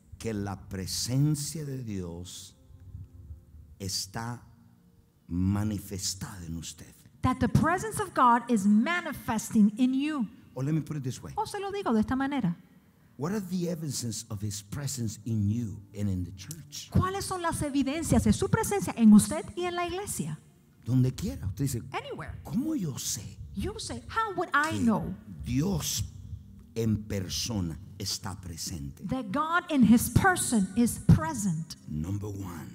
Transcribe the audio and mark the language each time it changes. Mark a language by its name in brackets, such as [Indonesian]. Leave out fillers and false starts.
[Spanish] que la presencia de Dios está manifestada en usted? [English] That the presence of God is manifesting in you. Or let me put it this way. [Spanish] O se lo digo de esta manera. [English] What are the evidences of His presence in you and in the church? [Spanish] ¿Cuáles son las evidencias de su presencia en usted y en la iglesia? Donde quiera. Usted dice, [English] anywhere. [Spanish] ¿Cómo yo sé? [English] You say, how would I know? [Spanish] Dios en persona está presente. [English] That God in His person is present. Number one.